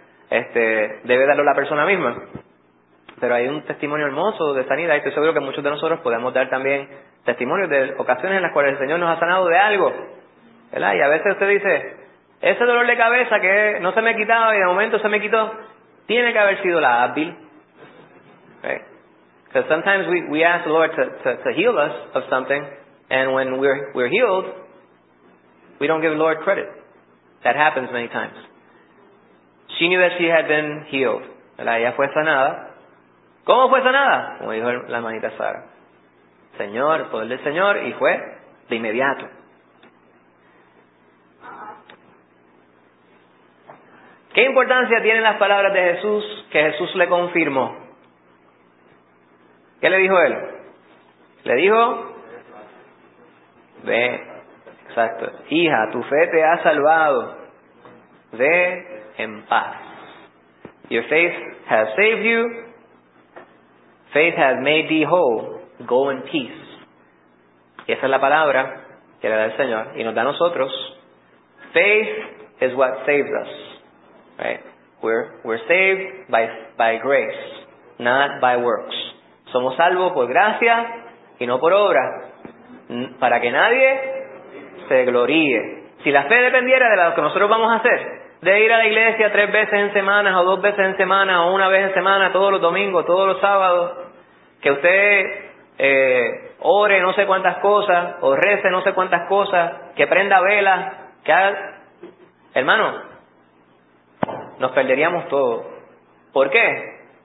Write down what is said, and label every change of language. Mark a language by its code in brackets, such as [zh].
[es] debe darlo la persona misma. Pero hay un testimonio hermoso de sanidad, y estoy seguro que muchos de nosotros podemos dar también testimonios de ocasiones en las cuales el Señor nos ha sanado de algo, ¿verdad? Y a veces usted dice, ese dolor de cabeza que no se me quitaba y de momento se me quitó, tiene que haber sido la Advil. [en] Because okay. Sometimes we ask the Lord to heal us of something, and when we're healed, we don't give the Lord credit. That happens many times. She knew that she had been healed. [es] ¿Verdad? Ella fue sanada. ¿Cómo fue sanada? Como dijo la hermanita Sara. Señor, el poder del Señor, y fue de inmediato. ¿Qué importancia tienen las palabras de Jesús que Jesús le confirmó? ¿Qué le dijo él? Le dijo, ve, exacto, hija, tu fe te ha salvado, ve en paz. [en] Your faith has saved you, faith has made thee whole, go in peace. [es] Y esa es la palabra que le da el Señor y nos da a nosotros. [en] Faith is what saves us. Right, we're saved by grace, not by works. [es] Somos salvos por gracia y no por obra, para que nadie se gloríe. Si la fe dependiera de lo que nosotros vamos a hacer, de ir a la iglesia 3 veces en semana o 2 veces en semana o 1 vez en semana, todos los domingos, todos los sábados, que usted ore no sé cuántas cosas o rece no sé cuántas cosas, que prenda velas, que haga, hermano, nos perderíamos todo. ¿Por qué?